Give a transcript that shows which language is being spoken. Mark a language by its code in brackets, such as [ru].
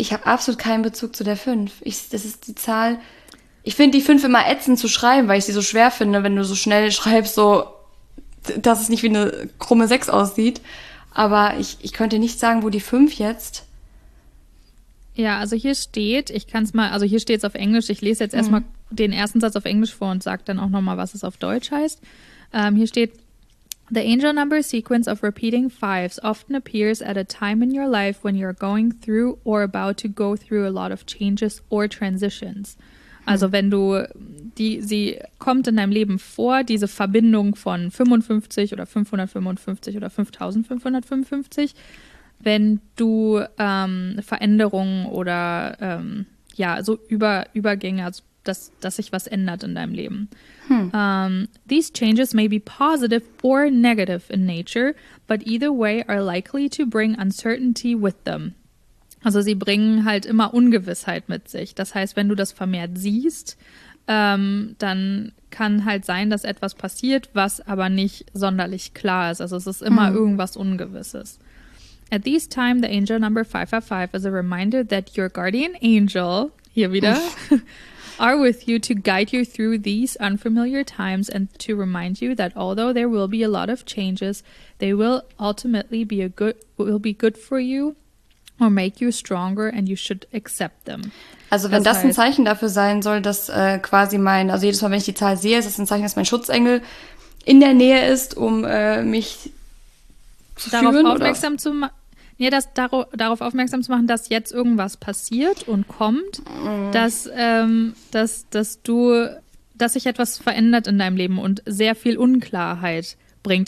[de] ich habe absolut keinen Bezug zu der 5. Das ist die Zahl. Ich finde die 5 immer ätzend zu schreiben, weil ich sie so schwer finde, wenn du so schnell schreibst, so, dass es nicht wie eine krumme 6 aussieht. Aber ich könnte nicht sagen, wo die 5 jetzt. Ja, also hier steht, ich kann es mal, also hier steht es auf Englisch. Ich lese jetzt erstmal den ersten Satz auf Englisch vor und sage dann auch nochmal, was es auf Deutsch heißt. Hier steht: [en] The angel number sequence of repeating fives often appears at a time in your life when you're going through or about to go through a lot of changes or transitions. [de] Also wenn du die, sie kommt in deinem Leben vor, diese Verbindung von 55 oder 555 oder 5555. Wenn du Veränderungen oder ja, so Übergänge, also dass sich was ändert in deinem Leben. [en] These changes may be positive or negative in nature, but either way are likely to bring uncertainty with them. [de] Also sie bringen halt immer Ungewissheit mit sich. Das heißt, wenn du das vermehrt siehst, dann kann halt sein, dass etwas passiert, was aber nicht sonderlich klar ist. Also es ist immer irgendwas Ungewisses. [en] At this time, the angel number 555 is a reminder that your guardian angel, [de] hier wieder, [en] are with you to guide you through these unfamiliar times and to remind you that although there will be a lot of changes, they will ultimately be a good, will be good for you or make you stronger and you should accept them. [de] Also wenn Das das ein heißt, Zeichen dafür sein soll, dass quasi mein, also jedes Mal, wenn ich die Zahl sehe, ist es ein Zeichen, dass mein Schutzengel in der Nähe ist, um mich zu darauf führen, oder? aufmerksam zu ma ja, das darauf aufmerksam zu machen, dass jetzt irgendwas passiert und kommt, dass, dass sich etwas verändert in deinem Leben und sehr viel Unklarheit bringt.